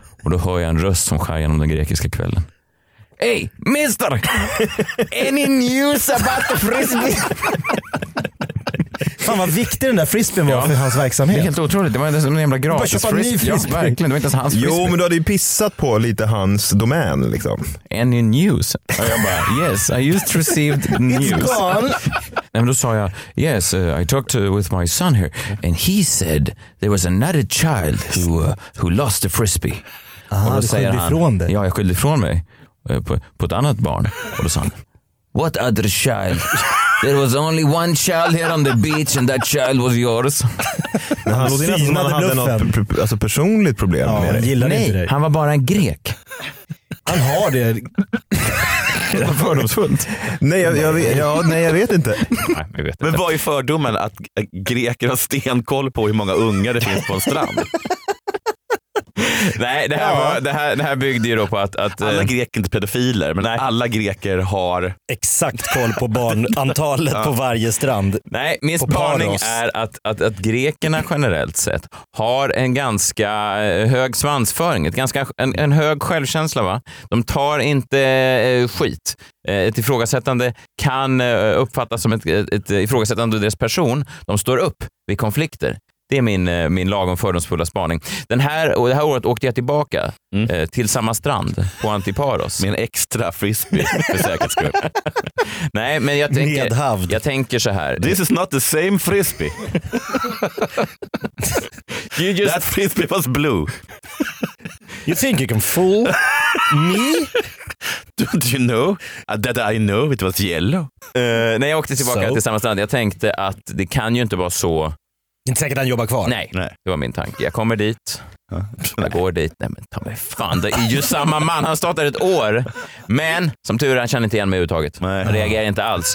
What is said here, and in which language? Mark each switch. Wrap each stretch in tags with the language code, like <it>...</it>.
<sv>Och då hör jag en röst som skär genom den grekiska kvällen.</sv> <en>Hey, mister! Any news about the frisbee?</en> <sv>Fan vad viktig den där frisbeen var för hans verksamhet. Det är helt otroligt, det var en jävla gratis frisbee. Ja, verkligen, det var inte ens hans frisbee. Jo, men du hade ju pissat på lite hans domän liksom.</sv> <en>Any news?</en> <sv>Och jag bara,</sv> <en>yes, I just received news. It's gone.</en> <sv>Nej, men då sa jag,</sv> <en>yes, I talked with my son here. And he said there was another child who lost the frisbee.</en> <sv>Aha, och då säger han, ja, jag skyllde ifrån mig på ett annat barn. Och då sa han,</sv> <en>what other child? There was only one child here on the beach and that child was yours.</en> <sv>Men han låter nästan som han hade något alltså personligt problem, ja, med dig. Nej, inte han var bara en grek. Han har det. Det är fördomsfullt. Nej, jag vet inte. Nej, jag vet inte. Men vad är fördomen att greker har stenkoll på hur många ungar det finns på en strand? Nej, det här, ja. det här byggde ju då på att alla greker inte pedofiler, men nej. Alla greker har exakt koll på barnantalet på varje strand. Nej, min spaning är att grekerna generellt sett har en ganska hög svansföring, en hög självkänsla, va? De tar inte skit. Ett ifrågasättande kan uppfattas som ett ifrågasättande av deras person. De står upp vid konflikter. Det är min lagom fördomsfulla spaning. Det här året åkte jag tillbaka till samma strand på Antiparos. Med en extra frisbee för säkerhets skull. Nej, men jag tänker så här.</sv> <en>This is not the same frisbee. That frisbee was blue. You think you can fool me? Don't you know that I know it was yellow?</en> <sv>När jag åkte tillbaka till samma strand, jag tänkte att det kan ju inte vara så. Inte säkert att han jobbar kvar. Nej, det var min tanke. Jag kommer dit. Jag går dit. Nej, men ta mig fan. Det är ju samma man. Han startade ett år. Men som tur är, han känner inte igen mig överhuvudtaget. Han reagerar inte alls.</sv>